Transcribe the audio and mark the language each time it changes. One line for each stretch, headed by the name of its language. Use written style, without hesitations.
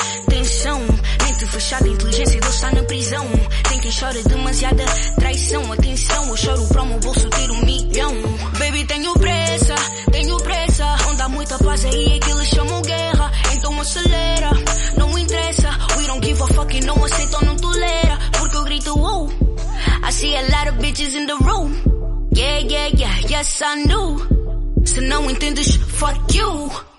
Portuguese: Tensão, mente fechada, inteligência, Deus está na prisão. Tem quem chora demasiada traição. Atenção, eu choro para o meu bolso ter um milhão. Baby, tenho pressa, tenho pressa. Onde há muita paz aí é que eles chamam guerra. Então acelera, não me interessa.
English: We don't give a fuck
Portuguese: e não aceitam, não tolera.
English: I see a lot of bitches in the room. Yeah, yeah, yeah, yes I know.
Portuguese: Se não entendes,
English: fuck you.